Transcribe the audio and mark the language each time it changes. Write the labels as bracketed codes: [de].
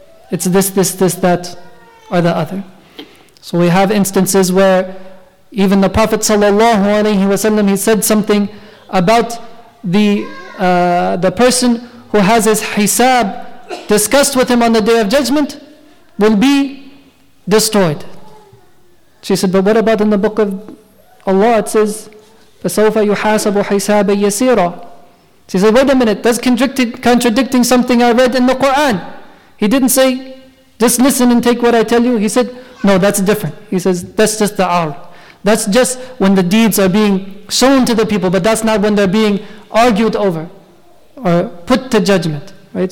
[en] It's this, this, this, that, or the other. So we have instances where even the Prophet sallallahu alaihi wasallam, he said something about the person who has his hisab discussed with him on the Day of Judgment will be destroyed. She said, but what about in the Book of Allah? It says, [ar] فَسَوْفَ يُحَاسَبُ حِسَابًا يَسِيرًا. [en] She said, wait a minute, that's contradicting something I read in the Quran. He didn't say, just listen and take what I tell you. He said, no, that's different. He says, that's just the ar. That's just when the deeds are being shown to the people, but that's not when they're being argued over or put to judgment. Right?